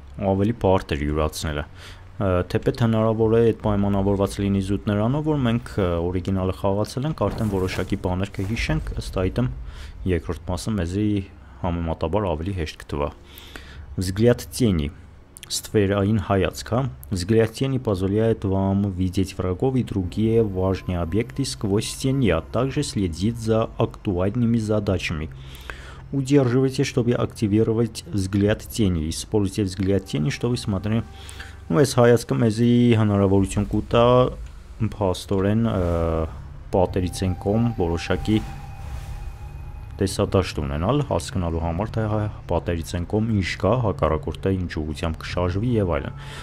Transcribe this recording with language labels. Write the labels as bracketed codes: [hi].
[hy] ավելի բարդ էր յուրացնելը, թեպետ հնարավոր է այդ պայմանավորված լինի զուտ նրանով, որ մենք օրիգինալը խաղացել ենք, արդեն որոշակի բաներ կհիշենք, ըստ այդմ երկրորդ մասը մեզի համեմատաբար ավելի հեշտ կթվա։ [ru] Взгляд тени. [hy] Сферային հայացք, հա, [ru] взгляд тени позволяет вам видеть врагов и другие важные объекты сквозь тени, а также следить за актуальными задачами. Удерживайте, чтобы активировать взгляд тени. Используйте взгляд тени, чтобы смотреть. [hy] Ну, այս հայացքը մեզի հնարավորություն կուտա փաստորեն պատերից են կողմ որոշակի տեսադաշտ ունենալ, հասկանալու համար, թե պատերից են կողմ ինչ կա, հակառակորդը ինչ ուղությամբ կշարժվի եւ այլն։